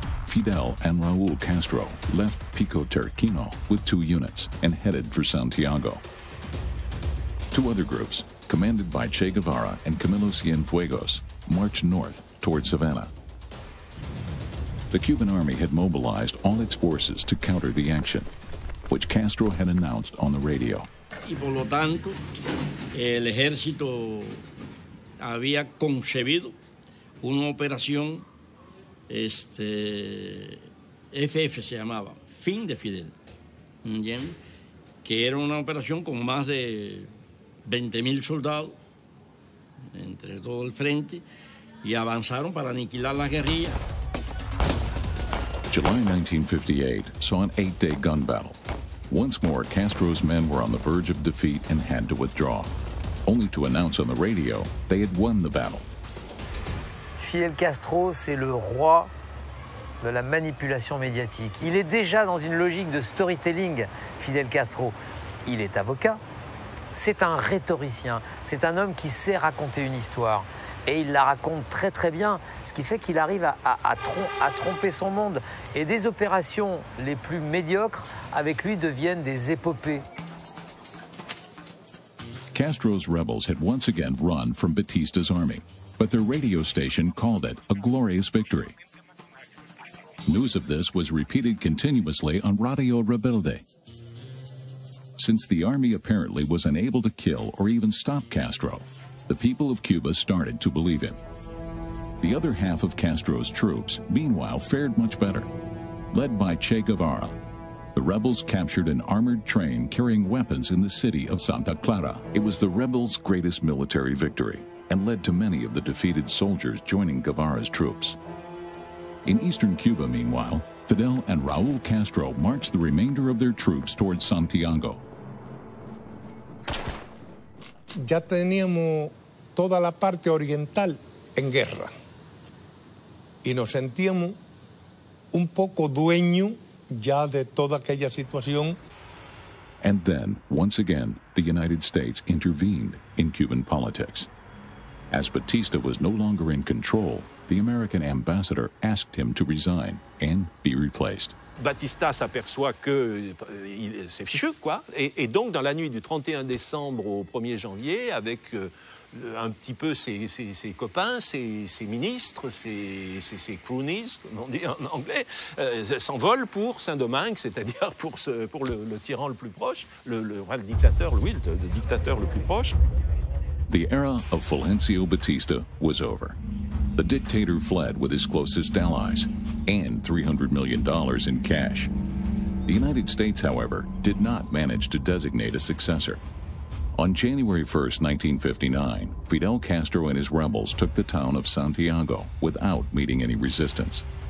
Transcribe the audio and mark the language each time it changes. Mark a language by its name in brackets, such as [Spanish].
[English] Fidel and Raúl Castro left Pico Terquino with two units and headed for Santiago. Two other groups, commanded by Che Guevara and Camilo Cienfuegos, marched north towards Havana. The Cuban army had mobilized all its forces to counter the action, which Castro had announced on the radio. [Spanish] Y por lo tanto, el ejército había concebido una operación, FF se llamaba, Fin de Fidel, ¿entiendes? Que era una operación con más de 20,000 soldados entre todo el frente y avanzaron para aniquilar las guerrillas. [English] July 1958 saw an 8-day gun battle. Once more, Castro's men were on the verge of defeat and had to withdraw, only to announce on the radio they had won the battle. [French] Fidel Castro, c'est le roi de la manipulation médiatique. Il est déjà dans une logique de storytelling, Fidel Castro. Il est avocat, c'est un rhétoricien, c'est un homme qui sait raconter une histoire. Et il la raconte très très bien, ce qui fait qu'il arrive à tromper son monde. Et des opérations les plus médiocres avec lui deviennent des épopées. [English] Castro's rebels had once again run from Batista's army, but their radio station called it a glorious victory. News of this was repeated continuously on Radio Rebelde. Since the army apparently was unable to kill or even stop Castro, the people of Cuba started to believe him. The other half of Castro's troops, meanwhile, fared much better. Led by Che Guevara, the rebels captured an armored train carrying weapons in the city of Santa Clara. It was the rebels' greatest military victory and led to many of the defeated soldiers joining Guevara's troops. In eastern Cuba, meanwhile, Fidel and Raúl Castro marched the remainder of their troops towards Santiago. [Spanish] Ya teníamos toda la parte oriental en guerra y nos sentíamos un poco dueño ya de toda aquella situación. [English] And then, once again, the United States intervened in Cuban politics. As Batista was no longer in control, the American ambassador asked him to resign and be replaced. [French] Batista s'aperçoit que c'est fichu, quoi. Et donc, dans la nuit du 31 décembre au 1er janvier, avec un petit peu ses copains, ses ministres, ses croonies, comme on dit en anglais, s'envole pour Saint-Domingue, c'est-à-dire pour le tyran le plus proche, le dictateur le plus proche. [English] The era of Fulgencio Batista was over. The dictator fled with his closest allies and $300 million in cash. The United States, however, did not manage to designate a successor. On January 1, 1959, Fidel Castro and his rebels took the town of Santiago without meeting any resistance.